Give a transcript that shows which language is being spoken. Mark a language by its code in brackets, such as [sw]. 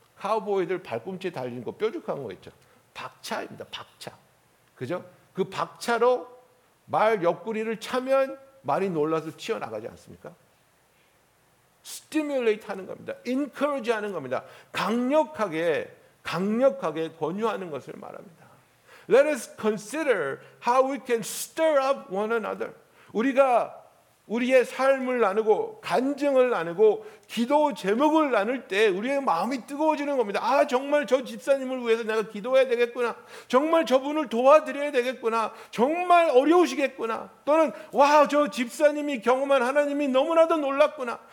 [ko] 카우보이들 발꿈치 달리는 거 뾰족한 거 있죠. 박차입니다. 박차. 그죠? 그 박차로 말 옆구리를 차면 말이 놀라서 튀어나가지 않습니까? stimulate 하는 겁니다. encourage 하는 겁니다. 강력하게, 강력하게 권유하는 것을 말합니다. [en] Let us consider how we can stir up one another. [ko] 우리가 우리의 삶을 나누고 간증을 나누고 기도 제목을 나눌 때 우리의 마음이 뜨거워지는 겁니다. 아, 정말 저 집사님을 위해서 내가 기도해야 되겠구나. 정말 저분을 도와드려야 되겠구나. 정말 어려우시겠구나. 또는 와, 저 집사님이 경험한 하나님이 너무나도 놀랐구나.